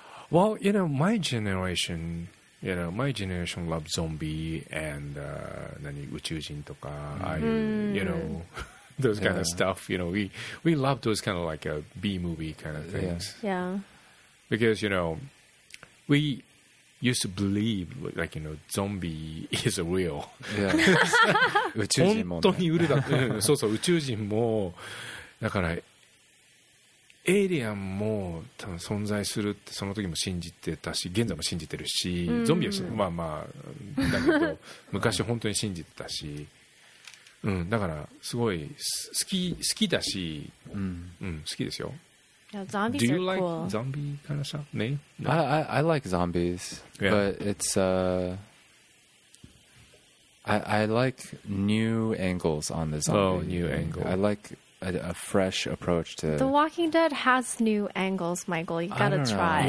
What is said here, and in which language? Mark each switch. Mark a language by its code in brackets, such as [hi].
[en] Well, you know, my generation... You know, my generation loves zombie and [ja] 宇宙人 toka. [en] You know, those kind of stuff. You know, we love those kind of like a B movie kind of things. Yeah. Because, you know, we used to believe like, you know, zombie is a real. Yeah. [ja] 宇宙人も。本当にいるだ。そうそう、宇宙人も。だから、 エイリアンも多分存在するってその時も信じてたし現在も信じてるしゾンビはまあまあだけど昔本当に信じてたし。だからすごい好き好きだし好きですよ。 [en] Zombies do you like zombie kind of stuff? Me? No. I like zombies but it's I like new angles on the zombie. Oh, new angle. I like a fresh approach to The Walking Dead has new angles, Michael. You gotta try.